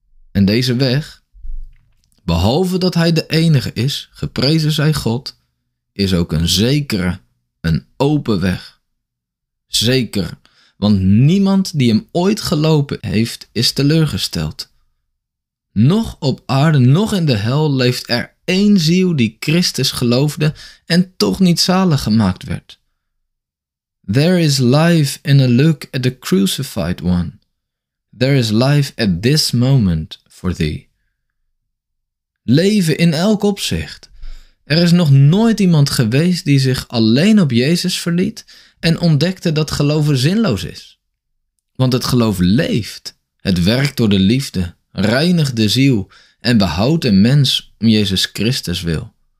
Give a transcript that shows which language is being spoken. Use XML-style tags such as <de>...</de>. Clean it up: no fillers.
<nl>En deze weg, behalve dat hij de enige is, geprezen zij God, is ook een zekere, een open weg. Zeker. Want niemand die hem ooit gelopen heeft, is teleurgesteld. Nog op aarde, nog in de hel leeft er één ziel die Christus geloofde en toch niet zalig gemaakt werd.</nl> <en>There is life in a look at the crucified one. There is life at this moment for thee.</en> <nl>Leven in elk opzicht. Er is nog nooit iemand geweest die zich alleen op Jezus verliet en ontdekte dat geloven zinloos is. Want het geloof leeft, het werkt door de liefde, reinigt de ziel en behoudt een mens om Jezus Christus wil.</nl>